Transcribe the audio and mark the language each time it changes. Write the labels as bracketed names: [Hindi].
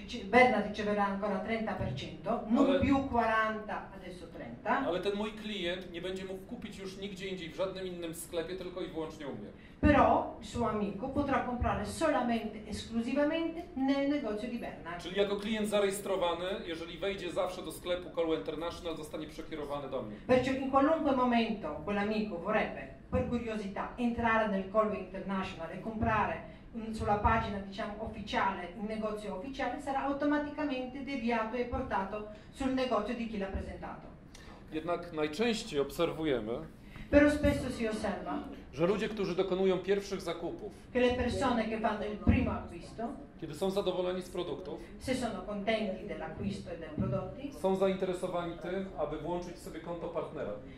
[Italian] Bernard riceverà ancora 30%, non più 40, adesso 30. [Polish] Ale ten mój klient nie będzie mógł kupić już nigdzie indziej, w żadnym innym sklepie, tylko i wyłącznie u mnie. [Italian] Però il suo amico potrà comprare solamente, esclusivamente nel negozio di Bernard. [Polish] Czyli jako klient zarejestrowany, jeżeli wejdzie zawsze do sklepu Call International, zostanie przekierowany do mnie. [Italian] Perciò in qualunque momento quell'amico vorrebbe, per curiosità, entrare nel Call International e comprare sulla pagina, diciamo, ufficiale, il negozio ufficiale, sarà automaticamente deviato e portato sul negozio di chi l'ha presentato. [Polish] Jednak najczęściej obserwujemy, [Italian] però spesso si osserva, [Polish] że ludzie, którzy dokonują pierwszych zakupów, [Italian] che le persone che fanno il primo acquisto, [Polish] kiedy są zadowoleni z produktów, [Italian] se sono contenti dell'acquisto e dei prodotti, [Polish] są zainteresowani tym, aby włączyć sobie konto partnera.